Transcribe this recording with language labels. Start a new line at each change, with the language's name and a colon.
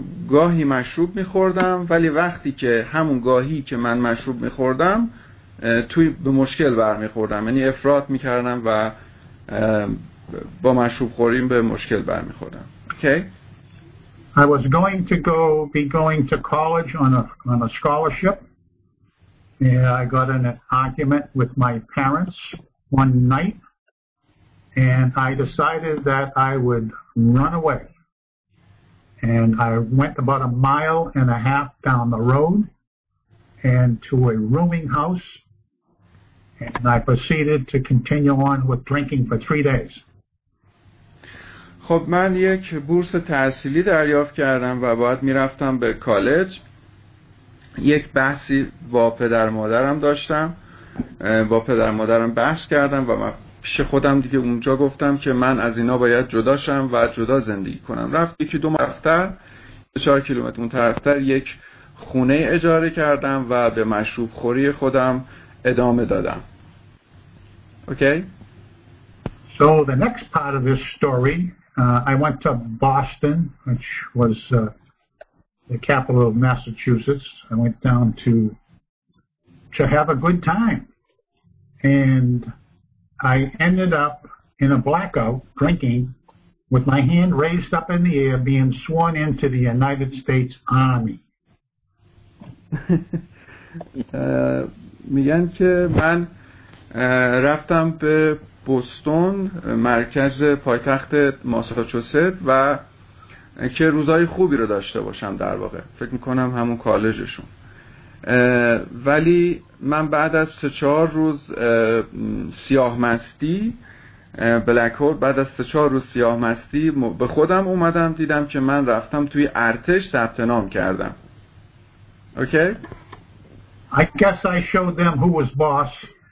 Persian: گاهی مشروب میخوردم ولی وقتی که همون گاهی که من مشروب میخوردم توی به مشکل برمیخوردم، یعنی افراط میکردم و با مشروب خوریم به مشکل برمیخوردم.
English: Okay. I was going to be going to college on a scholarship and I got in an argument with my parents one night and I decided that I would run away. And I went about a mile and a half down the road and to a rooming house and I proceeded to continue on with drinking for 3 days.
Persian: خب من یک بورس تحصیلی دریافت کردم و بعد میرفتم به کالج. یک بحثی با پدر مادرم داشتم، با پدر مادرم بحث کردم و من پیش خودم دیگه اونجا گفتم که من از اینا باید جدا شم و جدا زندگی کنم. رفت یکی دو مرفتر 4 کیلومتر اون طرفتر یک خونه اجاره کردم و به مشروب خوری خودم ادامه دادم.
English: Okay. So the next part of this story, I went to Boston, which was the capital of Massachusetts. I went down to have a good time. And I ended up in a blackout drinking with my hand raised up in the air being sworn into the United States Army.
Persian: میگن که من رفتم به بوستون، مرکز پایتخت ماساچوست و که روزای خوبی رو داشته باشم در واقع. فکر میکنم همون کالجشون. ولی من بعد از 3-4 روز سیاه مستی بلک هول، بعد از 3-4 روز سیاه مستی به خودم اومدم، دیدم که من رفتم توی ارتش ثبت نام کردم. اوکی؟
English: I guess I showed them who was boss.